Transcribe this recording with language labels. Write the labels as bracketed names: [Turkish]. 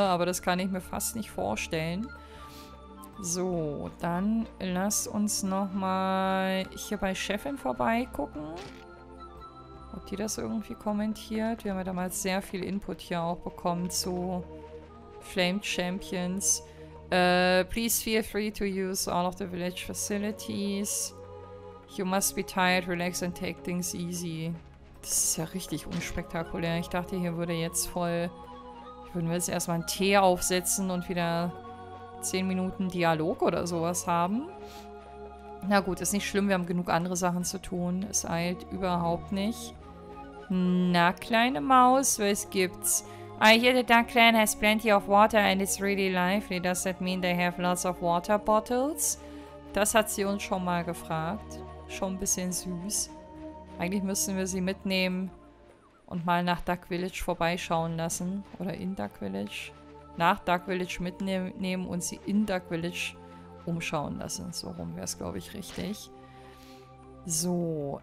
[German] Aber das kann ich mir fast nicht vorstellen. So, dann lass uns nochmal hier bei Chefin vorbeigucken. Ob die das irgendwie kommentiert. Wir haben ja damals sehr viel Input hier auch bekommen zu Flame Champions. [English] Please feel free to use all of the village facilities. You must be tired, relax and take things easy. [German] Das ist ja richtig unspektakulär. Ich dachte, hier würde jetzt voll... Würden wir jetzt erstmal einen Tee aufsetzen und wieder 10 Minuten Dialog oder sowas haben. Na gut, ist nicht schlimm. Wir haben genug andere Sachen zu tun. Es eilt überhaupt nicht. Na, kleine Maus, was gibt's? [English] I hear the Duck Clan has plenty of water and it's really lively. Does that mean they have lots of water bottles? [German] Das hat sie uns schon mal gefragt. Schon ein bisschen süß. Eigentlich müssen wir sie mitnehmen und mal nach Duck Village vorbeischauen lassen. Oder in Duck Village. Nach Duck Village mitnehmen und sie in Duck Village umschauen lassen. So rum wäre es, glaube ich, richtig. So.